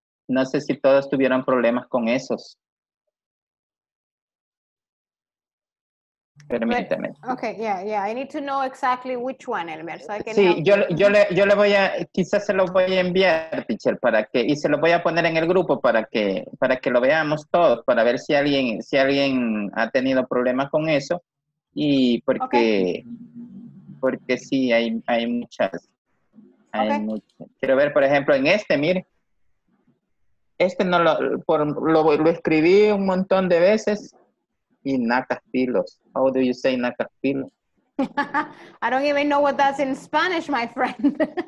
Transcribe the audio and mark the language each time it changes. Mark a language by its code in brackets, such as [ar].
[es] No sé si todos tuvieron problemas con esos. Permítame. [en] Okay, yeah. I need to know exactly which one, Elmer. So [es] sí, yo le voy a, quizás se lo voy a enviar, teacher, para que, y se lo voy a poner en el grupo para que lo veamos todos, para ver si alguien ha tenido problemas con eso. Y porque, okay. Porque sí, hay muchas. Hay okay. Muchas. Quiero ver, por ejemplo, en este, mire. Este no lo escribí un montón de veces. [en] Y nacafilos. How do you say nacafilo? I don't even know what that's in Spanish, my friend.